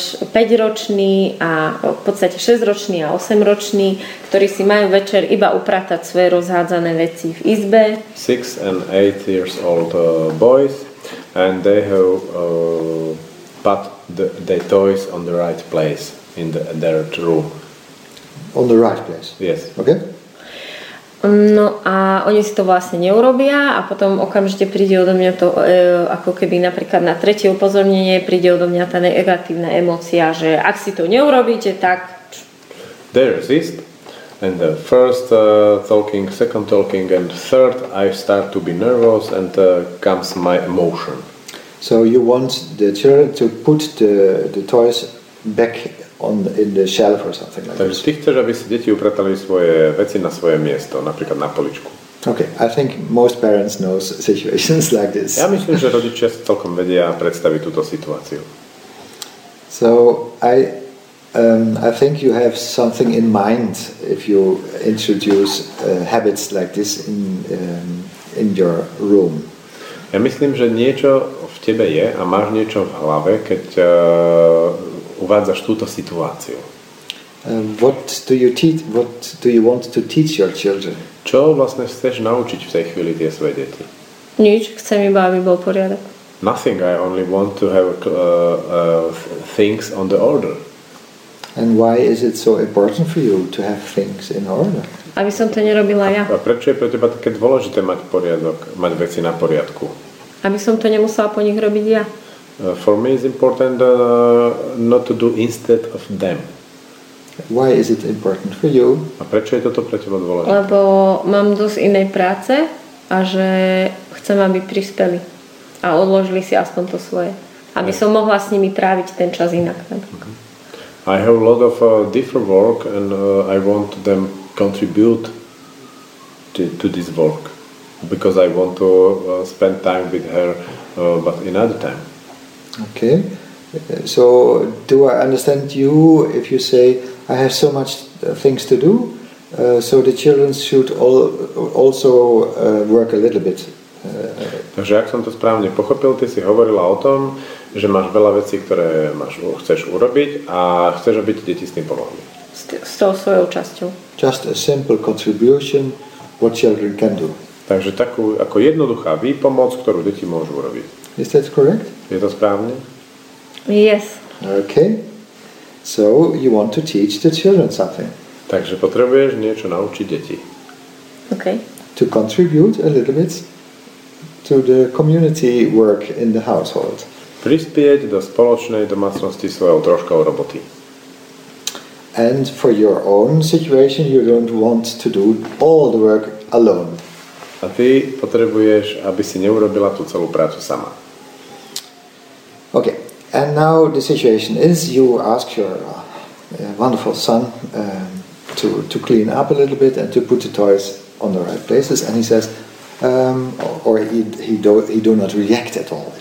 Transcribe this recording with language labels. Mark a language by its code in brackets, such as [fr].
[sk] 5-ročný a v podstate 6-ročný a 8-ročný, ktorí si majú večer iba upratať svoje rozhádzané veci v izbe. [en] 6 and 8 years old boys and they have but the toys on the right place in their room. On the right place? Yes. Okay. [sk] No a oni si to vlastne neurobia a potom okamžite príde odo mňa to, ako keby napríklad na tretie upozornenie príde odo mňa tá negatívna emócia, že ak si to neurobíte, tak... [en] They resist. And the first talking, second talking and third, I start to be nervous and comes my emotion. So you want the children to put the toys back on the, in the shelf or something like that. [sk] Ty chceš, aby si deti upratali svoje veci na svoje miesto, napríklad na poličku. [en] Okay, I think most parents know situations like this. [sk] Ja myslím, že rodičia si celkom vedia predstaviť túto situáciu. [en] So I think you have something in mind if you introduce habits like this in your room. [sk] Ja myslím, že niečo v tebe je a máš niečo v hlave, keď uvádzaš túto situáciu. [en] What do you want to teach your children? [sk] Čo vlastne chceš naučiť v tej chvíli tie svoje deti? Nič, chcem iba, aby bol poriadok. [en] Nothing, I only want to have things on the order. And why is it so important for you to have things in order? [sk] Aby som to nerobila ja. A prečo je pre teba také dôležité mať poriadok, mať veci na poriadku? Aby som to nemusela po nich robiť ja. [en] For me it's important not to do instead of them. Why is it important for you? [sk] A prečo je toto pre teba dôležité? Lebo mám dosť inej práce a že chcem, aby prispeli a odložili si aspoň to svoje. Aby som mohla s nimi tráviť ten čas inak. [en] I have a lot of different work and I want them contribute to this work because I want to spend time with her but another time. Okay, so do I understand you if you say I have so much things to do, so the children should also work a little bit. [sk] Takže ak som to správne pochopil, ty si hovorila o tom, že máš veľa vecí, ktoré máš, chceš urobiť a chceš, aby ti deti s tým pomohli. S tou svojou časťou. [en] Just a simple contribution what children can do. [sk] Takže takú ako jednoduchá výpomoc, ktorú deti môžu urobiť. [en] Is that correct? [sk] Je to správne? [en] Yes. Okay. So you want to teach the children something. [sk] Takže potrebuješ niečo naučiť deti. [en] Okay. To contribute a little bit to the community work in the household. [sk] Prispieť do spoločnej domácnosti svojou troškou roboty. [en] And for your own situation you don't want to do all the work alone. [sk] A ty potrebuješ, aby si neurobila tú celú prácu sama. [en] Okay, and now the situation is you ask your wonderful son to clean up a little bit and to put the toys on the right places and he says he does not react at all.